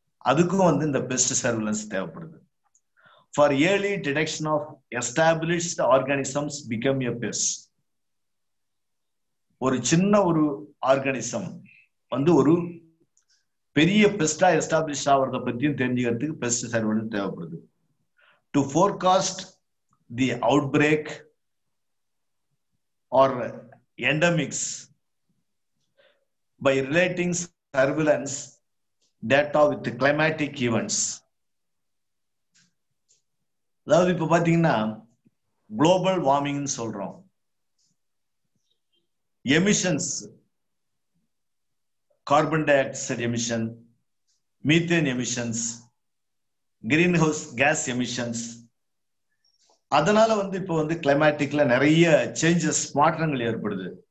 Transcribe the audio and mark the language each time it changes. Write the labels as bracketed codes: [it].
[ta] அதுக்கும் வந்து இந்த [en] best surveillance [ta] தேவைப்படுது. [en] For early detection of established organisms become a pest. [ta] ஒரு சின்ன ஒரு ஆர்கானிசம் வந்து ஒரு பெரிய பெஸ்டா எஸ்டாப்ளிஷ் ஆகிறத பத்தியும் தெரிஞ்சுக்கிறதுக்கு பெஸ்ட் சர்வேலன்ஸ் தேவைப்படுது. [en] To forecast the outbreak or endemics by relating surveillance data with climatic events. [ta] அதாவது இப்ப பாத்தீங்கன்னா குளோபல் வார்மிங் சொல்றோம், emissions carbon di oxide emission, methane emissions, green house case emissions, அதனால வந்து இப்ப வந்து கிளைமேட்டிக்ல நிறைய சேஞ்சஸ் மாற்றங்கள் ஏற்படுது.